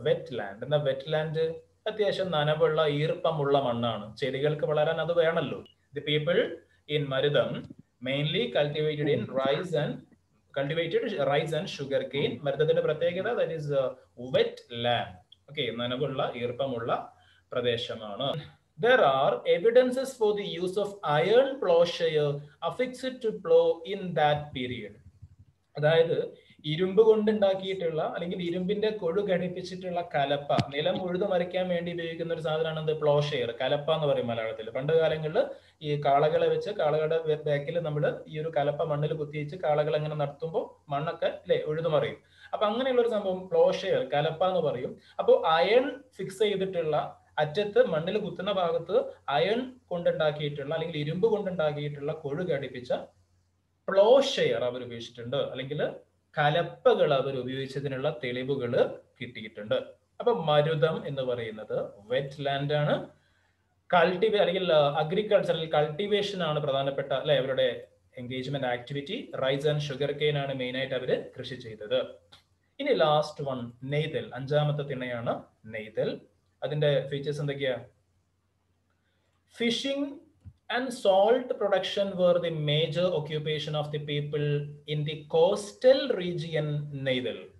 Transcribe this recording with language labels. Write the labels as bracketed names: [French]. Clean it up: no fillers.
[Malayalam] Wet land എന്ന wet land അത്യാവശ്യം നനവുള്ള ഈർപ്പമുള്ള മണ്ണാണ്, ചെടികൾക്ക് വളരാൻ അത് വേണമല്ലോ. [English] The people in Marutham mainly cultivated in rice and cultivated rice and sugarcane. [Malayalam] മരുതത്തിന്റെ പ്രത്യേകത [English] That is wetland. [Malayalam] Okay, നനവുള്ള ഈർപ്പമുള്ള പ്രദേശമാണ്. [English] There are evidences for the use of iron ploughshare affixed to plough in that period. [Malayalam] അതായത് ഇരുമ്പ് കൊണ്ടുണ്ടാക്കിയിട്ടുള്ള അല്ലെങ്കിൽ ഇരുമ്പിന്റെ കൊഴു ഘടിപ്പിച്ചിട്ടുള്ള കലപ്പ, നിലം ഉഴുതു മറിക്കാൻ വേണ്ടി ഉപയോഗിക്കുന്ന ഒരു സാധനമാണ് എന്ത്, പ്ലോഷെയർ. കലപ്പ എന്ന് പറയും മലയാളത്തിൽ. പണ്ട് കാലങ്ങളിൽ ഈ കാളകളെ വെച്ച് കാളകളുടെ ബാക്കിൽ നമ്മൾ ഈ ഒരു കലപ്പ മണ്ണിൽ കുത്തിവെച്ച് കാളകൾ എങ്ങനെ നടത്തുമ്പോൾ മണ്ണൊക്കെ അല്ലെ ഉഴുതു മറിയും. അപ്പൊ അങ്ങനെയുള്ള ഒരു സംഭവം പ്ലോഷെയർ, കലപ്പ എന്ന് പറയും. അപ്പോൾ അയൺ ഫിക്സ് ചെയ്തിട്ടുള്ള അറ്റത്ത് മണ്ണിൽ കുത്തുന്ന ഭാഗത്ത് അയൺ കൊണ്ടുണ്ടാക്കിയിട്ടുള്ള അല്ലെങ്കിൽ ഇരുമ്പ് കൊണ്ടുണ്ടാക്കിയിട്ടുള്ള കൊഴു ഘടിപ്പിച്ച പ്ലോഷെയർ അവർ ഉപയോഗിച്ചിട്ടുണ്ട്, അല്ലെങ്കിൽ കലപ്പകൾ അവർ ഉപയോഗിച്ചതിനുള്ള തെളിവുകൾ കിട്ടിയിട്ടുണ്ട്. അപ്പൊ മരുതം എന്ന് പറയുന്നത് വെറ്റ് ലാൻഡ് ആണ്. കൾട്ടിവേ അല്ലെങ്കിൽ അഗ്രികൾച്ചറൽ കൾട്ടിവേഷൻ ആണ് പ്രധാനപ്പെട്ട അല്ലെ അവരുടെ engagement activity. Rice and sugar cane ആണ് മെയിൻ ആയിട്ട് അവര് കൃഷി ചെയ്തത്. ഇനി ലാസ്റ്റ് വൺ നെയ്തൽ, അഞ്ചാമത്തെ തിണയാണ് നെയ്തൽ. അതിന്റെ ഫീച്ചേഴ്സ് എന്തൊക്കെയാ? [English] Fishing and salt production were the major occupation of the people in the coastal region Neidal.